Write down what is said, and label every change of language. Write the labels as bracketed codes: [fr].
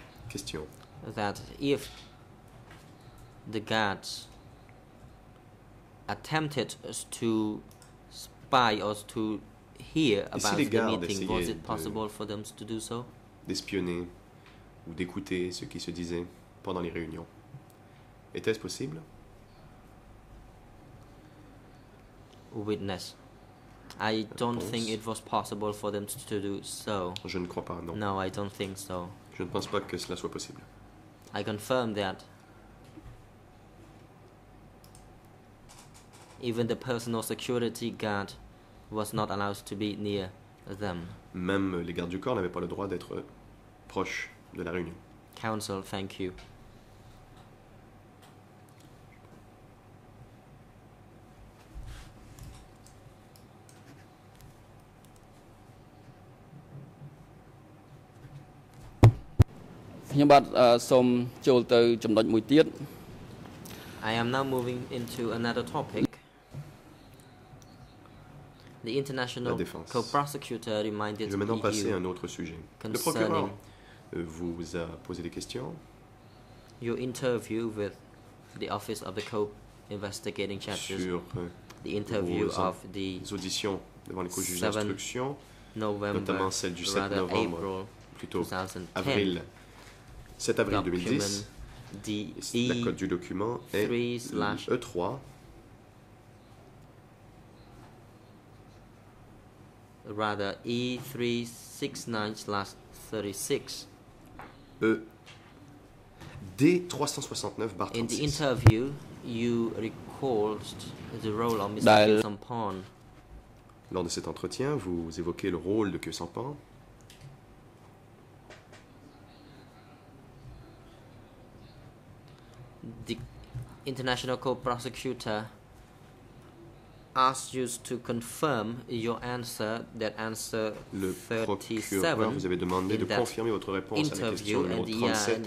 [en] question. That if the guards attempted to spy or to hear about the meeting, was it possible for them to do so? [fr] D'espionner ou d'écouter ce qui se disait pendant les réunions. Était-ce possible? [en] Witness. I don't think it was possible for them to do so. [fr] Je ne crois pas, non. [en] No, I don't think so. [fr] Je ne pense pas que cela soit possible. [en] I confirm that even the personal security guard was not allowed to be near them. [fr] Même les gardes du corps n'avaient pas le droit d'être proches de la réunion. [en] Counsel, thank you. [km] ខ្ញុំ បាទ សូម ចូល ទៅ ចំណុច មួយ ទៀត. [en] I am now moving into another topic. The international co-prosecutor reminded me. [fr] Je vais maintenant passer à un autre sujet. Le procureur vous a posé des questions. [en] Your interview with the office of the co-investigating judges. [fr] Sur [en] the interview of the [fr] auditions devant les juges d'instruction. [en] November, [fr] notamment celle du 7 novembre, plutôt [en] 2010. [fr] Avril. 7 avril 2010, la code du document est E3, [en] rather E369/36. D369/36. In the interview, you recalled the role of Mr. Kyo-Sampan. [fr] Lors de cet entretien, vous évoquez le rôle de Kyo-Sampan. [en] The international co-prosecutor asked you to confirm your answer, that answer 37, [fr] vous avez demandé de confirmer votre réponse à la question numéro 37.